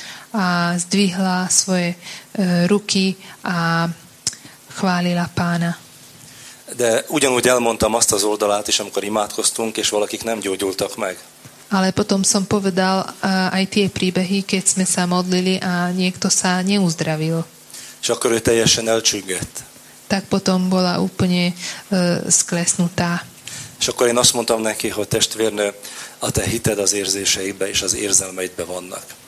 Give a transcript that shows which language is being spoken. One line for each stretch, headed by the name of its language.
Slovak: A zdvihla svoje ruky a chválila Pána.
Hungarian: De ugyanúgy elmondtam azt az oldalát is, amikor imádkoztunk, és valakik nem gyógyultak meg.
Slovak: Ale potom som povedal aj tie príbehy, keď sme sa modlili a niekto sa neuzdravil.
Hungarian: És akkor ő teljesen elcsüggett.
Slovak: Tak potom bola úplne sklesnutá.
Hungarian: És akkor én azt mondtam neki, hogy testvérnő, a te hited az érzéseidbe és az érzelmeidbe vannak.